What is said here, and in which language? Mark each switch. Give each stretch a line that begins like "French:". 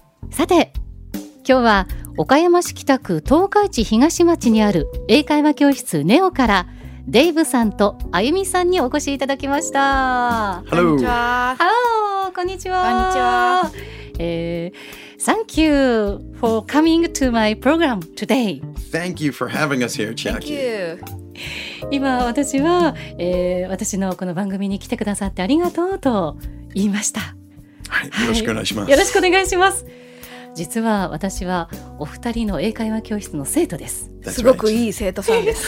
Japanese: さて、今日は岡山市北区東海地東町にある英会話教室ネオからデイブさんとあゆみさんにお越しいただきました。
English: ハロー
Japanese: こんにちは。ハローこんにちは。こんにちは。
English: Thank you for coming to my program today. Thank you for having us here, Chiaki. Thank you.
Japanese: 今私は、私のこの番組に来てくださってありがとうと言いました。はい、よろしくお願いします。よろしくお願いします。実は私はお二人の英会話教室の生徒です、 right. すごくいい生徒さんです、